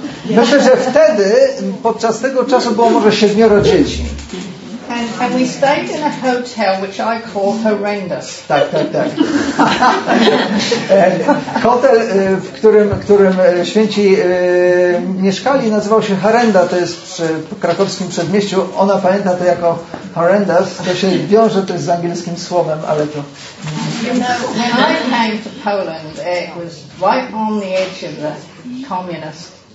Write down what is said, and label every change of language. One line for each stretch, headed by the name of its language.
Polish: Myślę, że wtedy podczas tego czasu było może 7 dzieci.
English: And we stayed in a hotel which I call horrendous.
Polish: Tak, tak, tak. Hotel, w którym święci mieszkali, nazywał się Horrenda, to jest przy krakowskim przedmieściu. Ona pamięta to jako horrendous. To się wiąże to jest z angielskim słowem, ale to.
English: You know, when I came to Poland, it was right on the edge of the communist.